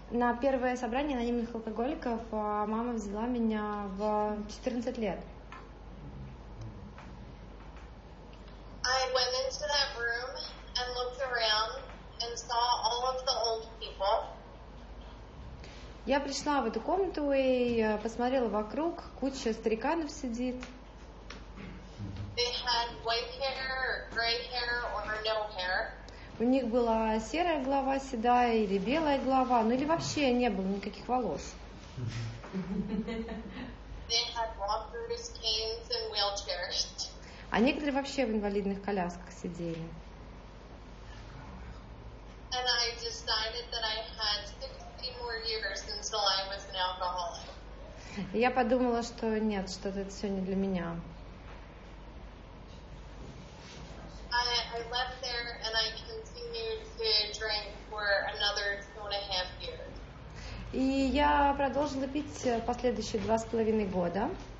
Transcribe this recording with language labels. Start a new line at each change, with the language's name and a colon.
Russian: На первое собрание анонимных алкоголиков мама взяла меня в 14 лет.
English: I went into that room and looked around and saw all of the old people.
Russian: Я пришла в эту комнату и посмотрела вокруг, куча стариканов сидит.
English: They had white hair, gray hair, or no hair.
Russian: У них была серая голова, седая или белая голова, ну или вообще не было никаких волос.
English: They had walkers, canes, and wheelchairs.
Russian: А некоторые вообще в инвалидных колясках сидели.
English: And I decided that I had 16 more years until I was an alcoholic.
Russian: Я подумала, что нет, что это все не для меня.
English: I left there and I continued to drink for another 2.5 years.
Russian: И я продолжила пить последующие 2.5 года.